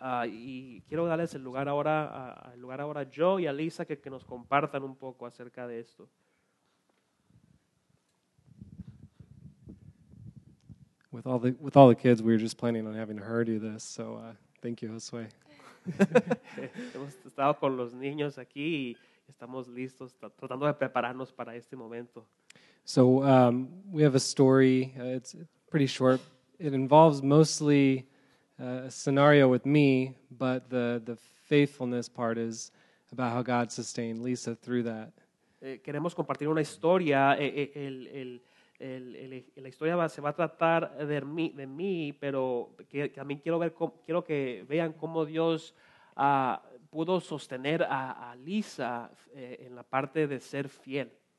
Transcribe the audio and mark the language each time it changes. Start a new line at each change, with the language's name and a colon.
Spanish: Y quiero darles el lugar ahora yo y a Lisa que nos compartan un poco acerca de esto.
English: With all the kids, we were just planning on having heard you this, so thank you, Josue.
Spanish: Hemos estado con los niños aquí y estamos listos, tratando de prepararnos para este momento.
English: So we have a story, it's pretty short. It involves mostly a scenario with me, but the faithfulness part is about how God sustained Lisa through that.
Spanish: Queremos compartir una historia. La historia se va a tratar de mí, pero que también quiero que vean cómo Dios pudo sostener a Lisa en la parte de ser fiel.